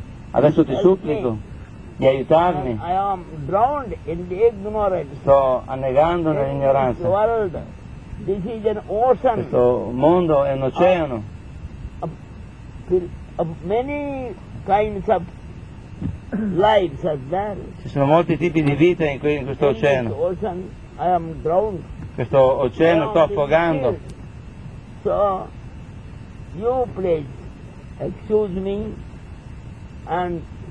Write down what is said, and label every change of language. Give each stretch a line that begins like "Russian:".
Italian: Adesso ti supplico di aiutarmi.
English: I am drowned in the ignorance.
Italian: Sto annegando nell'ignoranza.
English: This is an ocean.
Italian: Questo mondo è un oceano.
English: Of many kinds of lives are there.
Italian: Ci sono molti tipi di vita in questo oceano.
English: This ocean, I am drowned.
Italian: Questo oceano sto affogando.
English: So, you please excuse me and.